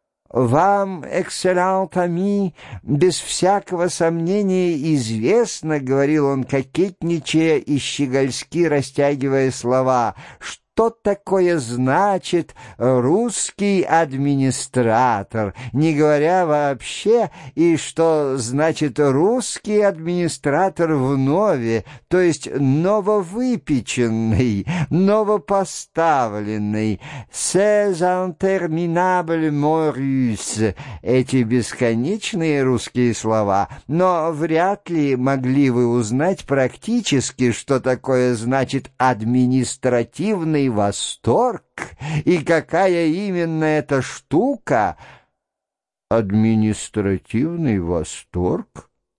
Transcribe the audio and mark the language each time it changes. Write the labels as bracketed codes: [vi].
[ru] «Вам, [fr] экселлент ами, [ru] без всякого сомнения известно, — говорил он, кокетничая и щегольски растягивая слова, — что такое значит русский администратор, не говоря вообще, и что значит русский администратор внове, то есть нововыпеченный, новопоставленный. [fr] C'est interminable, mon russe. [ru] Эти бесконечные русские слова, но вряд ли могли вы узнать практически, что такое значит административный восторг, и какая именно эта штука? Административный восторг?